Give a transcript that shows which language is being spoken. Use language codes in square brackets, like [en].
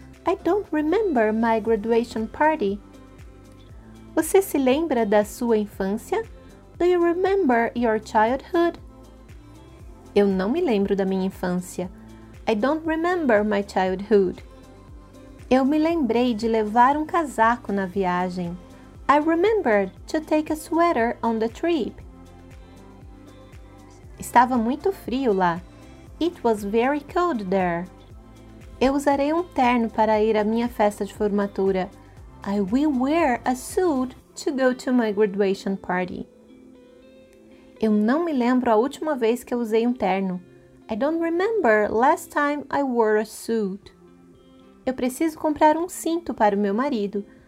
[en] I don't remember my graduation party. [pt] Você se lembra da sua infância? [en] Do you remember your childhood? [pt] Eu não me lembro da minha infância. [en] I don't remember my childhood. [pt] Eu me lembrei de levar um casaco na viagem. [en] I remembered to take a sweater on the trip. [pt] Estava muito frio lá. [en] It was very cold there. [pt] Eu usarei um terno para ir à minha festa de formatura. [en] I will wear a suit to go to my graduation party. [pt] Eu não me lembro a última vez que eu usei um terno. [en] I don't remember last time I wore a suit. [pt] Eu preciso comprar um cinto para o meu marido.